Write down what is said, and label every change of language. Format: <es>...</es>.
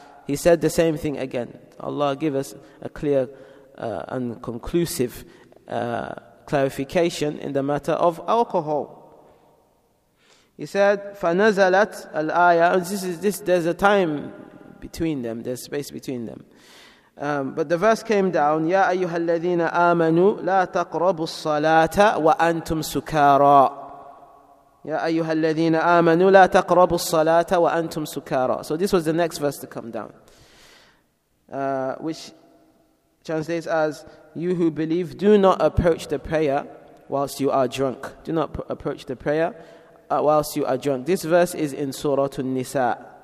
<en>He said the same thing again. Allah, give us a clear and conclusive clarification in the matter of alcohol. He said,</en> <ar>فَنَزَلَتْ الْآيَةُ.</ar> <en>There's a time between them, there's space between them. But the verse came down,</en> <ar>يَا أَيُّهَا الَّذِينَ آمَنُوا لَا تَقْرَبُوا الصَّلَاةَ وَأَنْتُمْ سُكَارَىٰ. يَا أَيُّهَا الَّذِينَ آمَنُوا لَا تَقْرَبُوا الصَّلَاةَ وَأَنْتُمْ سُكَارَىٰ.</ar> <en>So this was the next verse to come down, which translates as, you who believe, do not approach the prayer whilst you are drunk. Do not approach the prayer whilst you are drunk. This verse is in Surah An-Nisa.</en>